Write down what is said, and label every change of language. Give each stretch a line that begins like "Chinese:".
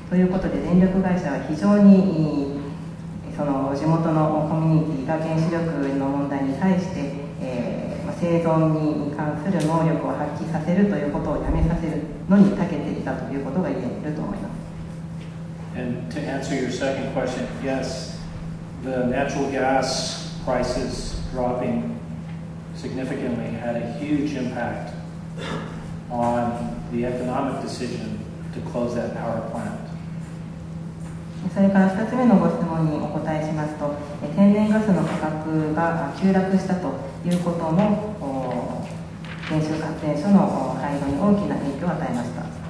Japanese: ということで電力会社は非常にその地元のコミュニティが原子力の問題に対して生存に関する能力を発揮させるということをやめさせるのに長けていたということが言えると思います。
English: And to answer your second question, yes, the natural gas prices dropping significantly had a huge impact on the economic decision to close that power plant.
Japanese: それから2つ目のご質問にお答えしますと、天然ガスの価格が急落したということも原子力発電所の廃炉に大きな影響を与えました。